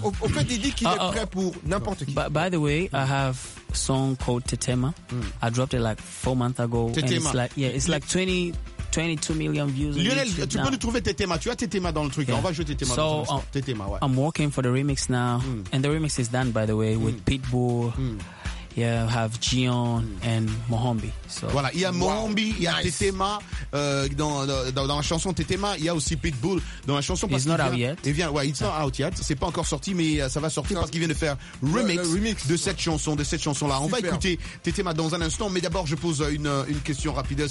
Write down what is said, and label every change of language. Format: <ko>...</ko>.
<fr>Donc, au fait, il dit qu'il est prêt pour n'importe qui.</fr> <en>By the way, I have song called Tetema. Mm. I dropped it like 4 months ago. Tetema. And it's like, yeah, it's like 22 million views.</en> <fr>Lionel, tu</fr> <en>now</en> <fr>peux nous trouver Tetema. Tu as Tetema dans le truc. Yeah. On va jouer Tetema.</fr> <en>So,</en> <fr>Tetema, ouais.</fr> <en>I'm working for the remix now. Mm. And the remix is done, by the way, with Pitbull. Mm. Yeah, have Gion and Mohombi. So,</en> <fr>voilà, il y a Mohombi, il y a Tetema dans la chanson Tetema. Il y a aussi Pitbull dans la chanson.</fr> <en>It's not out yet. It's not out yet.</en> <fr>C'est pas encore sorti, mais ça va sortir parce qu'il vient de faire remix de cette chanson, là. Super. On va écouter Tetema dans un instant, mais d'abord je pose une question rapide.</fr>